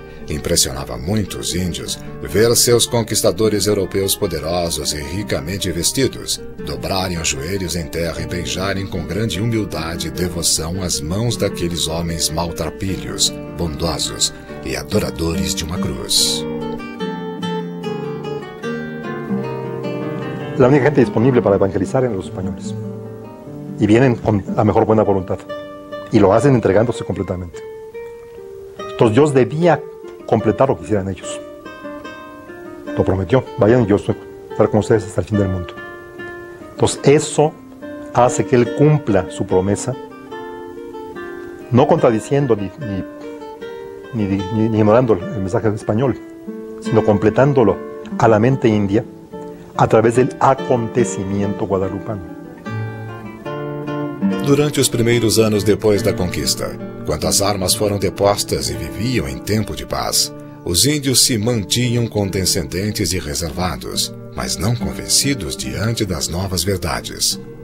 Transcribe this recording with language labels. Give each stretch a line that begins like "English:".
Portuguese: Impressionava muito os índios ver seus conquistadores europeus poderosos e ricamente vestidos dobrarem os joelhos em terra e beijarem com grande humildade e devoção as mãos daqueles homens maltrapilhos, bondosos e adoradores de uma cruz. A única gente disponível para evangelizar eram os espanhóis. E vêm com a melhor boa vontade.
Spanish: Y lo hacen entregándose completamente. Entonces Dios debía completar lo que hicieran ellos. Lo prometió. Vayan y yo estaré con ustedes hasta el fin del mundo. Entonces eso hace que Él cumpla su promesa. No contradiciendo ni ignorando el mensaje español. Sino completándolo a la mente india. A través del acontecimiento guadalupano.
Portuguese: Durante os primeiros anos depois da conquista, quando as armas foram depostas e viviam em tempo de paz, os índios se mantinham condescendentes e reservados, mas não convencidos diante das novas verdades.